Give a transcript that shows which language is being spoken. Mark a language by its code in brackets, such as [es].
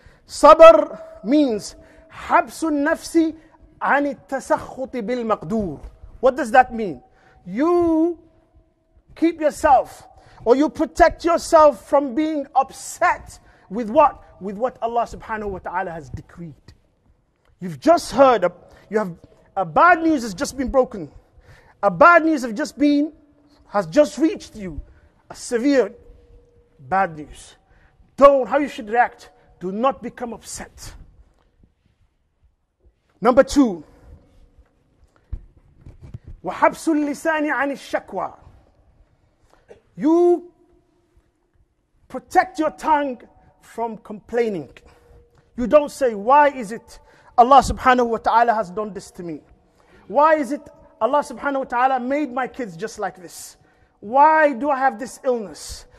[en] Sabr means [ar] حَبْسُ النَّفْسِ عَنِ التَّسَخُّطِ بِالْمَقْدُورِ. [en] What does that mean? You keep yourself, or you protect yourself from being upset with what? With what Allah subhanahu wa ta'ala has decreed. You've just heard, a bad news has just been broken. A bad news has just reached you. A severe bad news. Don't, how you should react, do not become upset. Number two, [ar] وَحَبْسُ اللِّسَانِ عَنِ الشَّكْوَى. [en] You protect your tongue from complaining. You don't say, why is it Allah subhanahu wa ta'ala has done this to me? Why is it Allah subhanahu wa ta'ala made my kids just like this? Why do I have this illness?